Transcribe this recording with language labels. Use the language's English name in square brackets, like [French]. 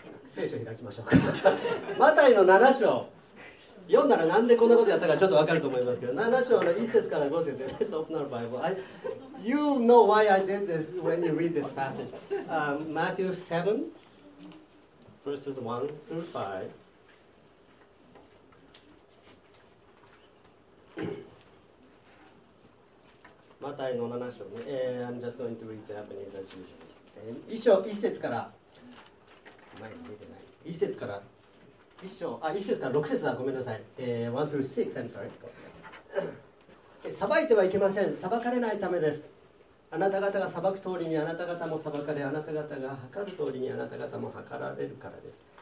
[Japanese] 聖書開きましょうか。マタイの7章読んだら、なんでこんなことやったかちょっとわかると思いますけど、7章の1節から5節です。 [English] Let's open our Bible. You'll know why I did this when you read this passage. Matthew 7, verses 1 through 5. [Japanese] マタイの7章ね。 [English] I'm just going to read the Japanese as usual. [Japanese] 1章1節から。前に出てない。1節から。 1節から6節だ、ごめんなさい。 [English] 1 through 6, I'm sorry. [Japanese] 裁いてはいけません。裁かれないためです。あなた方が裁く通りにあなた方も裁かれ、あなた方が測る通りにあなた方も測られるからです。